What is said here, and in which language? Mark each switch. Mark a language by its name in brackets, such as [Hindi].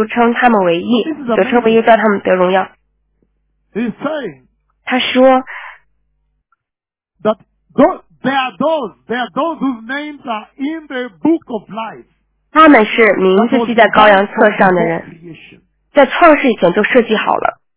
[Chinese] 接受耶稣的人，直到你会变荣耀，然后他预先所定下的人，又称他们为义，所称为义，叫他们得荣耀。他说， [English] that there are those whose names are in the book of life， [Chinese] 他们是名字记在羔羊册上的人，在创世以前就设计好了。